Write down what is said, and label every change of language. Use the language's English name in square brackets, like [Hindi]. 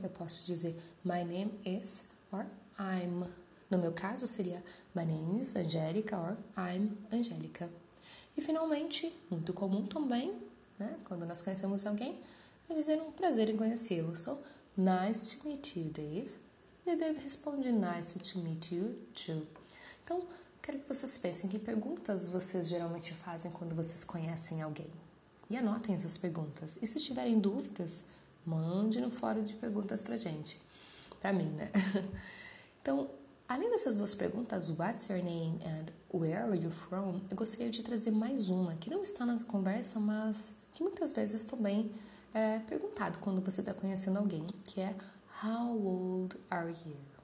[Portuguese] Eu posso dizer, [English] my name is, or I'm. [Portuguese] No meu caso, seria [English] my name is Angélica or I'm Angélica. [Portuguese] E, finalmente, muito comum também, né, quando nós conhecemos alguém, é dizer um prazer em conhecê-lo. [English] So, nice to meet you, Dave. [Portuguese] E o Dave responde, [English] nice to meet you, too. [Portuguese] Então, quero que vocês pensem que perguntas vocês geralmente fazem quando vocês conhecem alguém. E anotem essas perguntas. E se tiverem dúvidas, mande no fórum de perguntas pra gente. Pra mim, né? Então, além dessas duas perguntas, [English] what's your name and where are you from, [Portuguese] eu gostaria de trazer mais uma, que não está na conversa, mas que muitas vezes também é perguntado quando você está conhecendo alguém, que é [English] how old are you?